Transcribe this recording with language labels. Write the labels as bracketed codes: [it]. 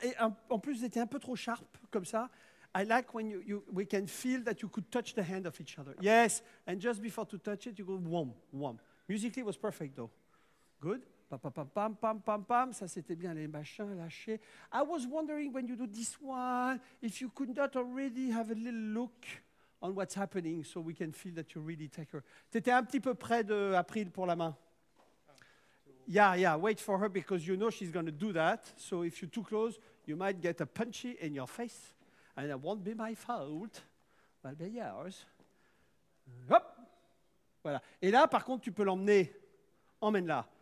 [fr] Et en plus, vous étiez un peu trop sharp comme ça. [en] I like when we can feel that you could touch the hand of each other. Yes, and just before to touch it, you go wom, wom. Musically, it was perfect, though. Good. Pam, pam, pam, pam. [fr] Ça, c'était bien les machins lâchés. [en] I was wondering when you do this one, if you could not already have a little look on what's happening so we can feel that you really take her. [fr] T'étais un petit peu près de April pour la main. [en] Yeah, yeah, wait for her because you know she's going to do that. So if you're too close, you might get a punchy in your face. And it won't be my fault, it'll be yours. [fr] Hop! Voilà. Et là, par contre, tu peux l'emmener. Emmène-la.